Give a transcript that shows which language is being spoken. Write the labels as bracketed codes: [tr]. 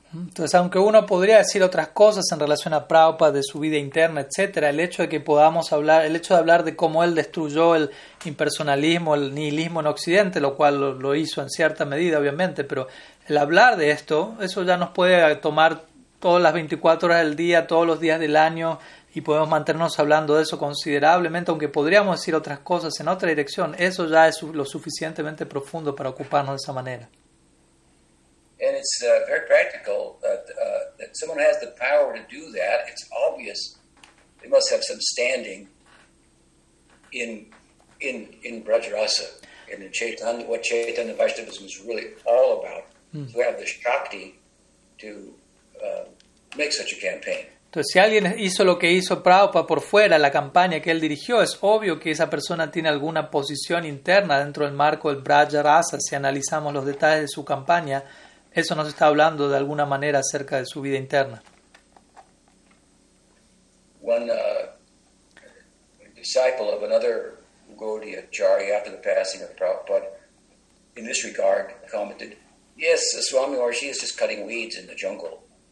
[es] Entonces, aunque uno podría decir otras cosas en relación a Prabhupada, de su vida interna, etcétera, el hecho de que podamos hablar, el hecho de hablar de cómo él destruyó el impersonalismo, el nihilismo en Occidente, lo cual lo hizo en cierta medida, obviamente, pero el hablar de esto, eso ya nos puede tomar todas las 24 horas del día, todos los días del año, y podemos mantenernos hablando de eso considerablemente, aunque podríamos decir otras cosas en otra dirección, eso ya es lo suficientemente profundo para ocuparnos de esa manera. [en] And it's very practical that someone has the power to do that. It's obvious they must have some standing in Brajarasa and in Chaitanya, what Chaitanya Vaishnavism is really all about. Mm. So we have the Shakti to make such a campaign. [es] Entonces, si alguien hizo lo que hizo Prabhupada por fuera, la campaña que él dirigió, es obvio que esa persona tiene alguna posición interna dentro del marco del Brajarasa, si analizamos los detalles de su campaña. Eso nos está hablando de alguna manera acerca de su vida interna. [en] One disciple of another Gaudiya Acharya, after the passing of Prabhupada, in this regard, commented, "Yes, Swami Maharaj, he is just cutting weeds in the jungle.